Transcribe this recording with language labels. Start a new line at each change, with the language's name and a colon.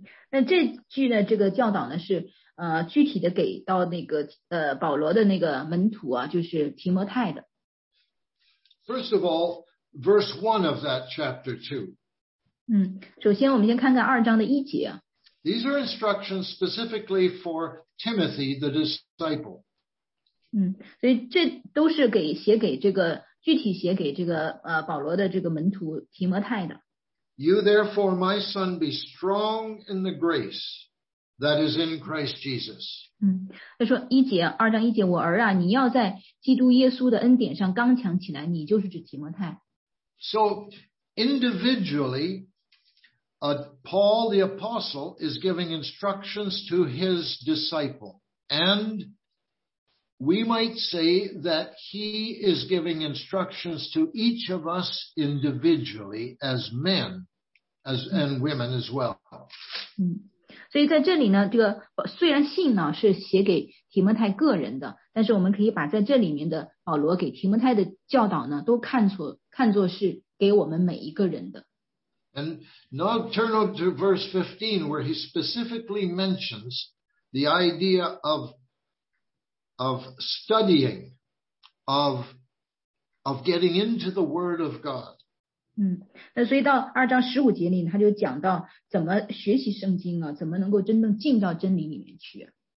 Chinese: 那这句的这个教导呢是具体的给到那个保罗的那个门徒啊，就是提摩太的。
English: First of all, verse 1 of that chapter 2.
Chinese: 首先我们先看看二章的一节。
English: These are instructions specifically for Timothy the disciple.
Chinese: 所以这都是给写给这个具体写给这个保罗的这个门徒提摩太的。
English: You therefore, my son, be strong in the grace that is in Christ Jesus.
Chinese: 他说一节二章一节，我儿啊，你要在基督耶稣的恩典上刚强起来，你就是指提摩太。
English: So individually, Paul the apostle is giving instructions to his disciple and we might say that he is giving instructions to each of us individually as men and women as well.
Chinese: 所以在这里呢，这个虽然信呢是写给提摩太个人的，但是我们可以把在这里面的保罗给提摩太的教导呢都看作是给我们每一个人的。
English: And now turn over to verse 15 where he specifically mentions the idea of studying, of getting into the Word of God.
Chinese: 那所以到二章十五节里他就讲到怎么学习圣经啊，怎么能够真正进到真理里面去。